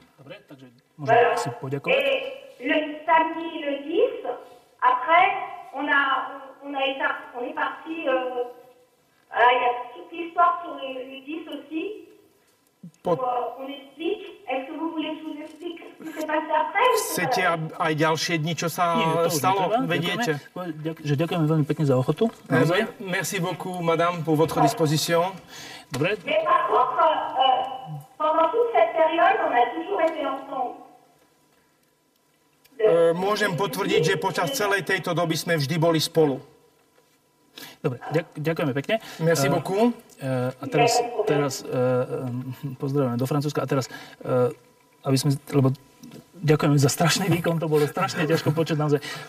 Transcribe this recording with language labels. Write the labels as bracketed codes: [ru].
[sk] Dobre, takže môžem si poďakovať. [fr] Le samedi le 10, après on est parti voilà, il y a toute l'histoire sur le 10 aussi. On explique, est-ce que vous voulez que je vous explique ce qui s'est passé après? [sk] Chcete aj ďalšie dni, čo sa stalo, vediete? Ďakujeme. Ďakujeme veľmi pekne za ochotu. [fr] Merci beaucoup, madame, pour votre disposition. [sk] Dobre. [fr] Mais par contre, pendant toute cette période, on a toujours été ensemble. [sk] Môžem potvrdiť, že počas celej tejto doby sme vždy boli spolu. Dobre, ďakujeme pekne. [fr] Merci beaucoup. [sk] A teraz pozdravujeme do Francúzska. A teraz, aby sme, lebo ďakujeme za strašný výkon, to bolo strašne ťažko počuť naozaj.